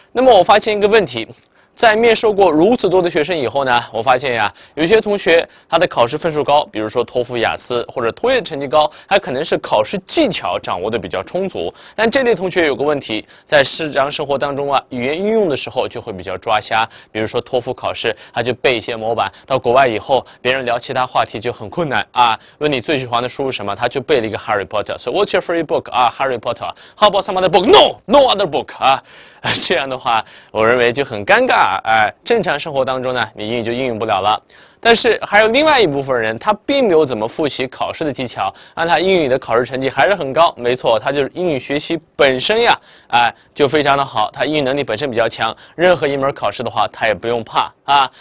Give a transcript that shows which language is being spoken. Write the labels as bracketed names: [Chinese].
[Chinese] 那么我发现一个问题，在面授过如此多的学生以后呢，我发现呀，有些同学他的考试分数高，比如说托福、雅思或者托业成绩高，他可能是考试技巧掌握的比较充足。但这类同学有个问题，在日常生活当中啊，语言运用的时候就会比较抓瞎。比如说托福考试，他就背一些模板，到国外以后，别人聊其他话题就很困难啊。问你最喜欢的书是什么，他就背了一个《Harry Potter》。 [English] So what's your favorite book? Harry Potter. How about some other book? No, no other book. [Chinese] 这样的话，我认为就很尴尬。正常生活当中呢，你英语就应用不了了。但是还有另外一部分人，他并没有怎么复习考试的技巧，按他英语的考试成绩还是很高。没错，他就是英语学习本身呀，就非常的好，他英语能力本身比较强，任何一门考试的话他也不用怕啊。